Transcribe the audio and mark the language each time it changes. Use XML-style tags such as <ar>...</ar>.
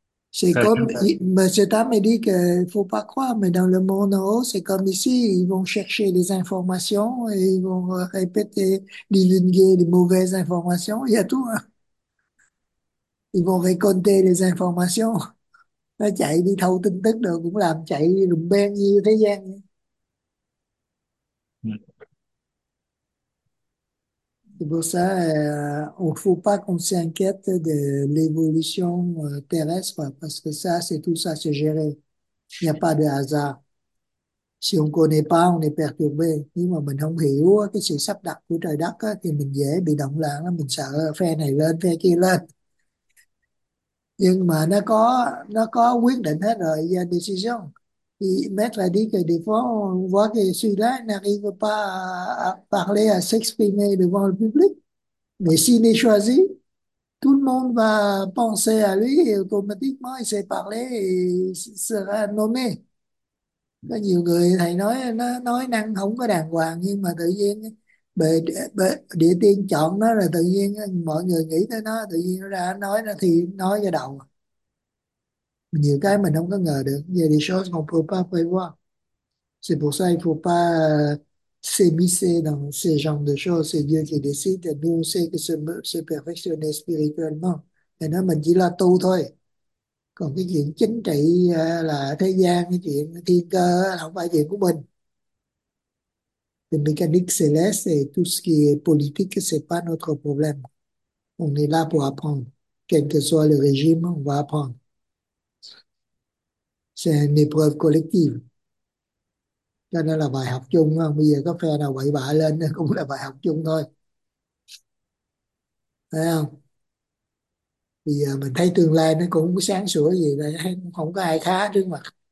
<fr>C'est comme, cet homme a dit qu'il ne faut pas croire, mais dans le monde en haut, c'est comme ici, ils vont chercher des informations et ils vont répéter, divulguer les mauvaises informations. Il y a tout. Hein. Ils vont récolter les informations.</fr> <vi>Nó chạy đi thâu tin tức được cũng làm chạy lùm beng như thế gian.</vi> <fr>C'est pour ça, on ne faut pas qu'on s'inquiète de l'évolution terrestre, parce que ça, c'est tout ça, c'est géré. Il n'y a pas de hasard. Si on ne connaît pas, on est perturbé.</fr> <vi>Nhưng mà mình không hiểu cái sự sắp đặt của trời đất á, thì mình dễ bị động loạn, mình sợ phe này lên, phe kia lên. Nhưng mà nó có quyết định hết rồi, decision.</vi> <fr>Thì maître a dit que des fois, on voit que celui-là n'arrive pas à parler, à s'exprimer devant le public. Mais s'il est choisi, tout le monde va penser à lui et automatiquement, il sait parler et il sera nommé.</fr> <vi>Có nhiều người thầy nói, nó nói năng không có đàng hoàng, nhưng mà tự nhiên, địa tiên chọn nó là tự nhiên mọi người nghĩ tới nó, tự nhiên nó ra nói nó thì nói ra đầu. Nhiều cái mình không có ngờ được.</vi> <fr>Il y a des choses qu'on peut pas prévoir. C'est pour ça il faut pas s'immiscer dans ces genres de choses. C'est Dieu qui décide. Et nous, on sait que se perfectionner spirituellement.</fr> <vi>Et nó mình chỉ là tu thôi. Còn cái chuyện chính trị là thế gian, cái chuyện thiên cơ là không phải chuyện của mình.</vi> <fr>Mécanique céleste et tout ce qui est politique, ce n'est pas notre problème. On est là pour apprendre. Quel que soit le régime, on va apprendre. C'est une épreuve collective.</fr> <vi>Cho nên là bài học chung. Không? Bây giờ có phe nào quậy bạ lên cũng là bài học chung thôi. Thấy không? Bây giờ mình thấy tương lai nó cũng sáng sủa gì đây. Không có ai khá trước mặt.</vi>